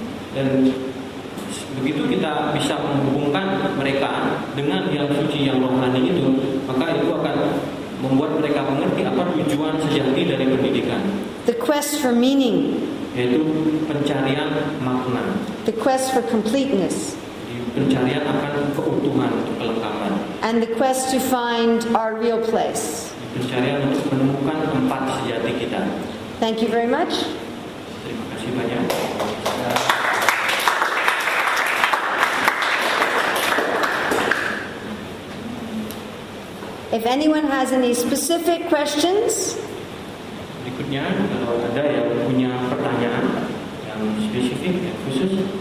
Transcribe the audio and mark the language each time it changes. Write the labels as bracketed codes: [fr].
[id] Dan begitu kita bisa menghubungkan mereka dengan yang suci, yang rohani itu, maka itu akan membuat mereka mengerti apa tujuan sejati dari pendidikan. [en] The quest for meaning. [id] Yaitu pencarian makna. [en] The quest for completeness. [id] Pencarian akan keutuhan, kelengkapan. [en] And the quest to find our real place. [id] Pencarian untuk menemukan tempat sejati kita. [en] Thank you very much. [id] Terima kasih banyak. [en] If anyone has any specific questions. [id] Berikutnya, kalau ada yang punya pertanyaan yang spesifik, yang khusus.